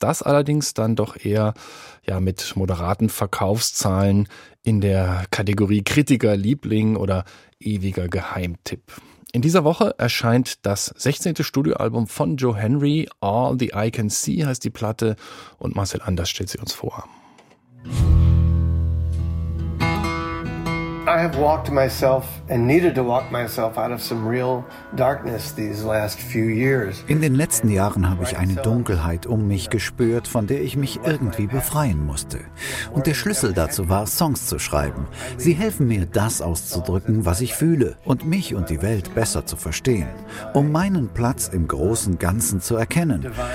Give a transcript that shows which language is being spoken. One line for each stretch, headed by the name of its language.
German: Das allerdings dann doch eher ja, mit moderaten Verkaufszahlen in der Kategorie Kritiker, Liebling oder ewiger Geheimtipp. In dieser Woche erscheint das 16. Studioalbum von Joe Henry. All the I Can See heißt die Platte und Marcel Anders stellt sie uns vor.
English: I have walked myself and needed to walk myself out of some real darkness these last few years.
German: In den letzten Jahren habe ich eine Dunkelheit um mich gespürt, von der ich mich irgendwie befreien musste. Und der Schlüssel dazu war, Songs zu schreiben. Sie helfen mir, das auszudrücken, was ich fühle, und mich und die Welt besser zu verstehen, um meinen Platz im großen Ganzen zu erkennen.